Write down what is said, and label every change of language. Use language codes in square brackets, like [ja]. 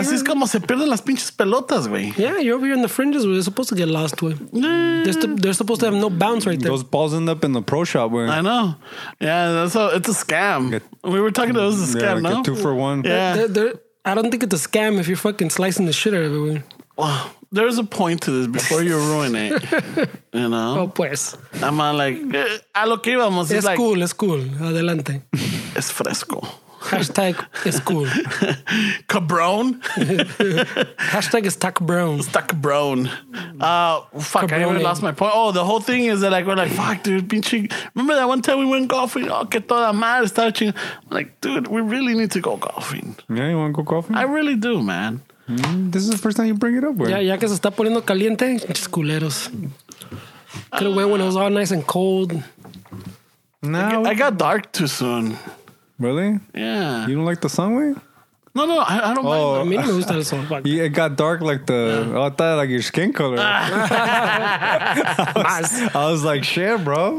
[es] Así es como se pierden las pinches pelotas, güey. [en] Yeah, you're over here in the fringes where they're supposed to get lost, güey. They're supposed to have no bounce right there. Those balls end up in the pro shop, güey. I know. Yeah, it's a scam. We were talking about it was a scam, no? Get 2-for-1. Yeah. I don't think it's a scam if you're fucking slicing the shit out of it, güey. Wow. There's a point to this before you ruin it, you know? [es] Oh, pues. [en] I'm like, [es] a lo que íbamos. Es [en] like, [es] cool, es cool. Adelante. Es fresco. Hashtag es cool. Cabrón. Hashtag es tacbrón. Es tacbrón. [en] Fuck, cabrón. I even lost my point. Oh, the whole thing is that like, we're like, fuck, dude, pinche. Remember that one time we went golfing? [es] Oh, que toda madre estaba ching. [en] Like, dude, we really need to go golfing. Yeah, you want to go golfing? I really do, man. This is the first time you bring it up, bro. Yeah, [es] ya que se está poniendo caliente, just culeros. [en] Could have went when it was all nice and cold. Nah, I got dark too soon. Really? Yeah. You don't like the sun, way? No, no, I don't mind. [es] Me gusta el sol. [en] Yeah, it got dark like the. Yeah. Oh, I thought like your skin color. I was like, shit, bro.